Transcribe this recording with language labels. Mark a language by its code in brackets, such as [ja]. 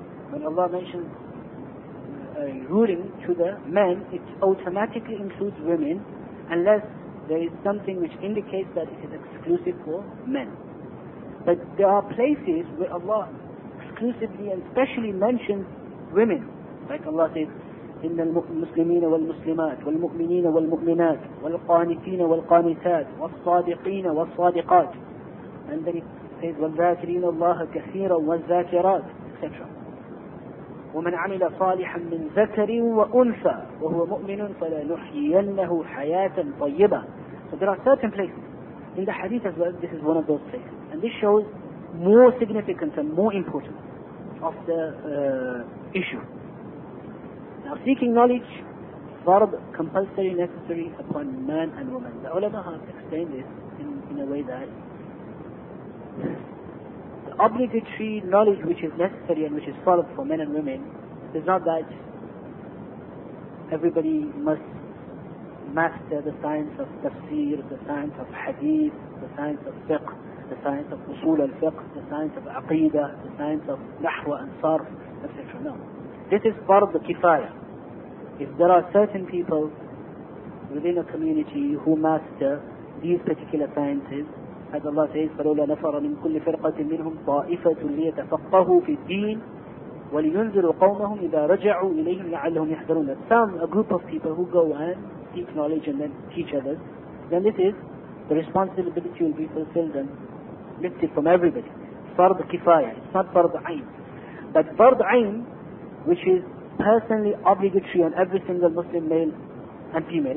[en] When Allah mentions a ruling to the men, it automatically includes women, unless there is something which indicates that it is exclusive for men. But there are places where Allah exclusively and specially mentions women. Like Allah says, [ar] إن المسلمين والمسلمات والمؤمنين والمؤمنات والقانتين والقانتات والصادقين والصادقات. [en] And then it says, [ar] والذاكرين الله كثيرا والذاكرات, [en] etc. [ar] ومن عمل صالحا من ذكر وأنثى وهو مؤمن فلنحيينه حياة طيبة. [en] So there are certain places in the hadith as well. This is one of those places, and this shows more significance and more importance of the issue. Now, seeking knowledge, fard, compulsory, necessary upon man and woman. The ulama have explained this in a way that the obligatory knowledge which is necessary and which is fard for men and women is not that everybody must master the science of tafsir, the science of hadith, the science of fiqh, the science of usul al-fiqh, the science of aqidah, the science of nahwa and sarf, etc. No. This is fard kifaya. If there are certain people within a community who master these particular sciences, as Allah says, [ar] فَلَوْلَا نَفَرَ مِنْ كُلِّ فِرْقَةٍ مِّنْهُمْ طَائِفَةٌ لِيَتَفَقَّهُوا فِي الدِّينِ وَلِيُنْذِرُوا قَوْمَهُمْ إِذَا رَجَعُوا إِلَيْهِمْ لَعَلَّهُمْ يَحْذَرُونَ. [en] Some, a group of people who go and seek knowledge and then teach others, then this is the responsibility will be fulfilled and lifted from everybody. [ar] فرض كفاية. [en] It's not فرض عين. But فرض عين, which is personally obligatory on every single Muslim male and female.